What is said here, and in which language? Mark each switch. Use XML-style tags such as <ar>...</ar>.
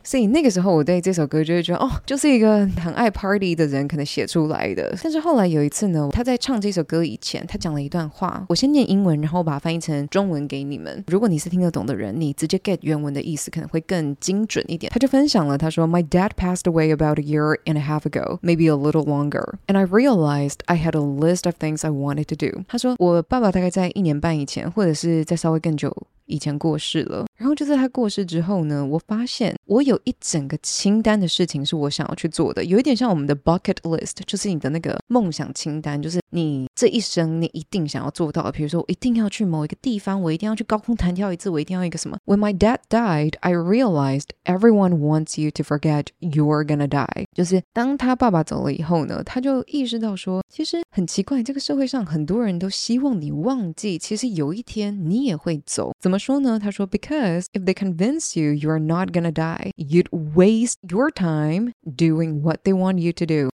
<zh>所以那个时候我对这首歌就会觉得哦，就是一个很爱 party 的人可能写出来的。但是后来有一次呢，他在唱这首歌以前他讲了一段话，我先念英文然后把它翻译成中文给你们，如果你是听得懂的人，你直接 get 原文的意思可能会更精准一点。他就分享了，他说</zh> <en>my dad passed away about a year and a half ago, maybe a little longer. And I realized I had a list of things I wanted to do.</en> <zh>他说我爸爸大概在一年半以前，或者是再稍微更久以前过世了。然后就在他过世之后呢，我发现我有一整个清单的事情是我想要去做的，有一点像我们的 bucket list， 就是你的那个梦想清单，就是你这一生你一定想要做到的。比如说我一定要去某一个地方，我一定要去高空弹跳一次，我一定要一个什么。</zh> <en>When my dad died, I realized everyone wants you to forget you're gonna die.</en> <zh>就是当他爸爸走了以后呢，他就意识到说，其实很奇怪，这个社会上很多人都希望你忘记，其实有一天你也会走。怎么说呢？他说</zh> <en>Because if they convince you you're not gonna die, you'd waste your time doing what they want you to do.</en>